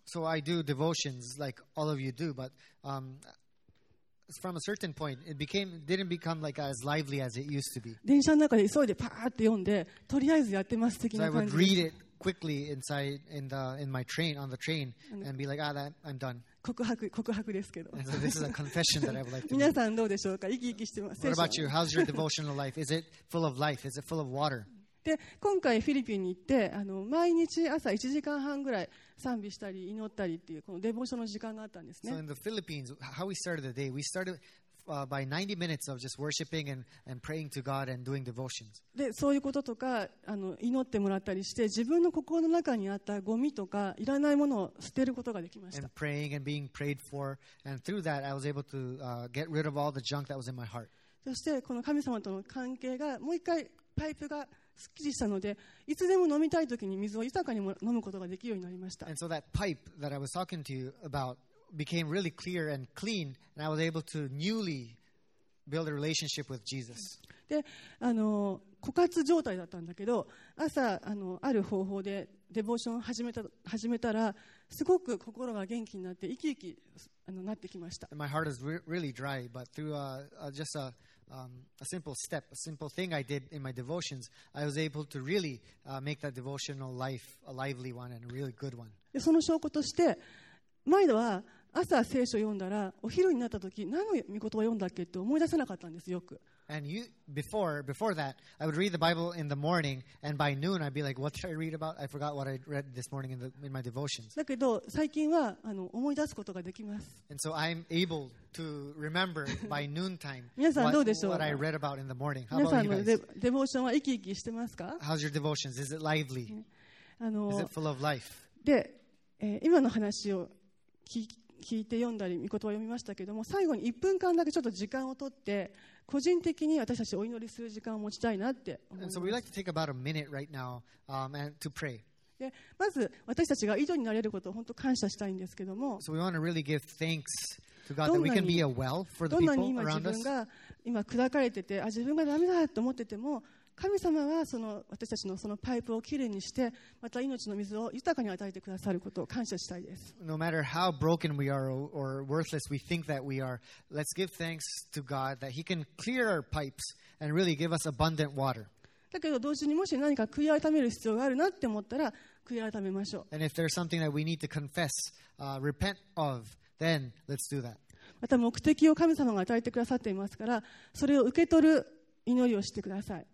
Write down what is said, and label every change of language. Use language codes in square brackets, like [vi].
[en] So I do devotions like all of you do, but from a certain point it didn't become like as lively as it used to be. [ja] 電車の中で急いでパーって読んで、とりあえずやってます的な感じ。 [en] So I would read it quickly inside in my train, on the train, and be like, ah, that, I'm done. [ja] 告白ですけど。 [en] So this is a confession that I would like to make. [ja] 皆さんどうでしょうか。生き生きしてます。 [en] What about you? How's your devotional life? Is it full of life? Is it full of water? [ja] で、今回フィリピンに行って、あの、毎日朝1時間半ぐらい賛美したり祈ったりっていうこのデボーションの時間があったんですね。 [en] So in the Philippines, how we started the day, we started by 90 minutes of just worshiping and praying to God and doing devotions. [ja] で、そういうこととか、祈ってもらったりして、自分の心の中にあったゴミとか、いらないものを捨てることができました。 [en] And praying and being prayed for, and through that, I was able to get rid of all the junk that was in my heart. [ja] そして、この神様との関係が、もう一回、パイプが、すっきりしたのでいつでも飲みたいときに水を豊かに飲むことができるようになりました。 [en] And so that pipe that I was talking to you about became really clear and clean, and I was able to newly build a relationship with Jesus. [ja] で、枯渇状態だったんだけど、朝ある方法でデボーションを始めたらすごく心が元気になって生き生きなってきました。 [en] And my heart is really dry, but through just a a simple step, a simple thing I did in my devotions, I was able to really make that devotional life a lively one and a really good one. [ja] その証拠として、前は朝聖書を読んだら、お昼になった時、何の御言葉を読んだっけって思い出せなかったんですよく。 [en] And you, before that, I would read the Bible in the morning, and by noon I'd be like, what should I read about? I forgot what I read this morning in my devotions. [ja] だけど最近は思い出すことができます。 [en] And so I'm able to remember by noontime [ja] 皆さんどうでしょう? [en] What I read about in the morning. How about you guys? [ja] 皆さんのデボーションは生き生きしてますか? [en] How's your devotions? Is it lively? Is it full of life? [ja] で、今の話を聞いて読んだり御言葉を読みましたけども最後に1分間だけちょっと時間を取って個人的に私たちお祈りする時間を持ちたいなって思います。 [en] And so we'd like to take about a minute right now, and to pray. [ja] でまず私たちが井戸になれることを本当感謝したいんですけども [en] So we want to really give thanks to God that we can be a well for the people around us. [ja] どんなに今自分が今砕かれてて自分がダメだと思ってても神様はその私たちのそのパイプをきれいにしてまた命の水を豊かに与えてくださることを感謝したいです。 [en] No matter how broken we are or worthless we think that we are, let's give thanks to God that he can clear our pipes and really give us abundant water. [ja] だけど同時にもし何か悔い改める必要があるなって思ったら悔い改めましょう。 [en] And if there's something that we need to confess, repent of, then let's do that. [ja] また目的を神様が与えてくださっていますからそれを受け取る祈りをしてください。